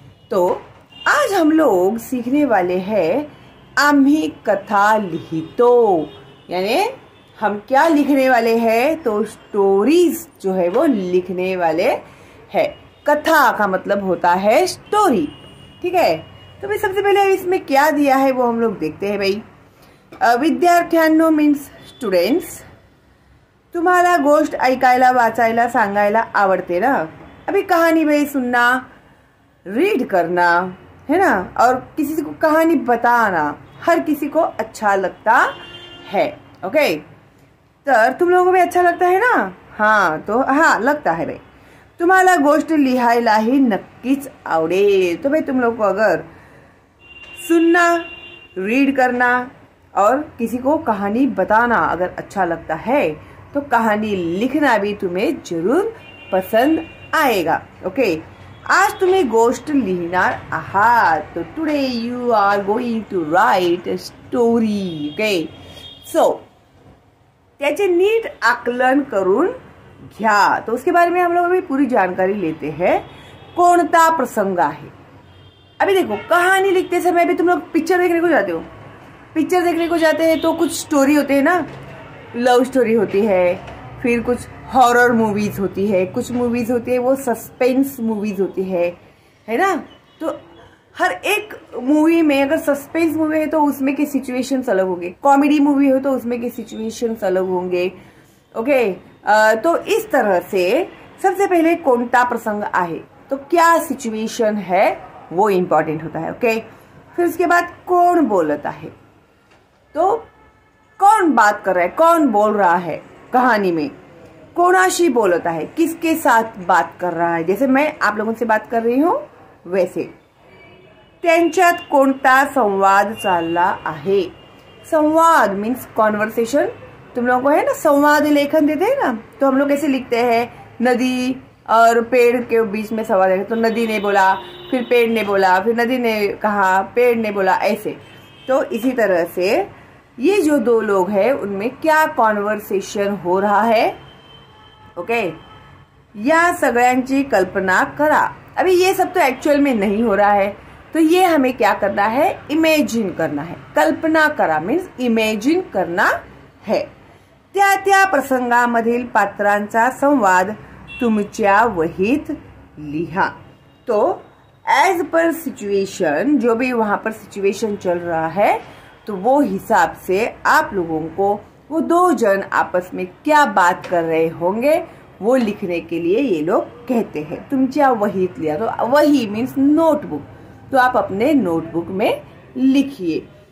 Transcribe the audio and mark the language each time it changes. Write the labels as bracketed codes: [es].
[hi] तो आज हम लोग सीखने वाले हैं [mr] आम्ही कथा लिहितो, [hi] यानी हम क्या लिखने वाले हैं, तो स्टोरीज जो है वो लिखने वाले है। कथा का मतलब होता है स्टोरी, ठीक है। तो भाई सबसे पहले इसमें क्या दिया है वो हम लोग देखते हैं। [mr] भाई विद्यार्थ्यांनो मीन्स स्टूडेंट्स, तुम्हाला गोष्ट ऐकायला वाचायला सांगायला आवडते ना। [hi] अभी कहानी भाई सुनना, रीड करना है ना, और किसी को कहानी बताना हर किसी को अच्छा लगता है। ओके, तो तुम लोगों को भी अच्छा लगता है ना। हाँ तो हाँ लगता है भाई, [mr] तुम्हाला गोष्ट लिहायला ही नक्कीच आवडेल। [hi] तो भाई तुम लोग को अगर सुनना, रीड करना और किसी को कहानी बताना अगर अच्छा लगता है, तो कहानी लिखना भी तुम्हें जरूर पसंद आएगा। [en] okay, [hi] आज तुम्हें गोष्ट लिखना आहा, [en] तो today you are going to write a story. [mr] Okay, so त्याचे नीट आकलन करून घ्या। [hi] तो उसके बारे में हम लोग अभी पूरी जानकारी लेते हैं, [mr] कोणता प्रसंग आहे। [hi] अभी देखो कहानी लिखते समय अभी तुम लोग पिक्चर देखने को जाते हो, पिक्चर देखने को जाते हैं तो कुछ स्टोरी होते हैं ना, लव स्टोरी होती है, फिर कुछ हॉरर मूवीज होती है, कुछ मूवीज होती है वो सस्पेंस मूवीज होती है ना। तो हर एक मूवी में अगर सस्पेंस मूवी है तो उसमें के सिचुएशंस अलग होंगे, कॉमेडी मूवी हो तो उसमें के सिचुएशंस अलग होंगे। ओके, तो इस तरह से सबसे पहले [mr] कौनता प्रसंग आहे, [hi] तो क्या सिचुएशन है वो इम्पोर्टेंट होता है। ओके, फिर उसके बाद कौन बोलता है, तो कौन बात कर रहा है, कौन बोल रहा है कहानी में, [mr] कोणाशी बोलता [hi] है, किसके साथ बात कर रहा है, जैसे मैं आप लोगों से बात कर रही हूँ वैसे। [mr] त्यांच्यात कोणता संवाद चालला आहे, संवाद मीन्स कॉन्वर्सेशन। [hi] तुम लोगों को है ना संवाद लेखन देते हैं ना, तो हम लोग कैसे लिखते हैं, नदी और पेड़ के बीच में संवाद है, तो नदी ने बोला, फिर पेड़ ने बोला, फिर नदी ने कहा, पेड़ ने बोला, ऐसे। तो इसी तरह से ये जो दो लोग हैं उनमें क्या कॉन्वर्सेशन हो रहा है। [mr] ओके, या सगळ्यांची कल्पना करा। [hi] अभी ये सब तो एक्चुअल में नहीं हो रहा है, तो ये हमें क्या करना है, इमेजिन करना है। [mr] कल्पना करा [hi] मीन्स इमेजिन करना है। [mr] त्या त्या प्रसंगामधील पात्रांचा संवाद तुमच्या वहीत लिहा। [hi] तो एज पर सिचुएशन, जो भी वहां पर सिचुएशन चल रहा है, तो वो हिसाब से आप लोगों को वो दो जन आपस में क्या बात कर रहे होंगे वो लिखने के लिए ये लोग कहते हैं। [mr] तुमच्या वहीत लिहा, [hi] तो वही मीन्स नोटबुक, तो आप अपने नोटबुक में लिखिए।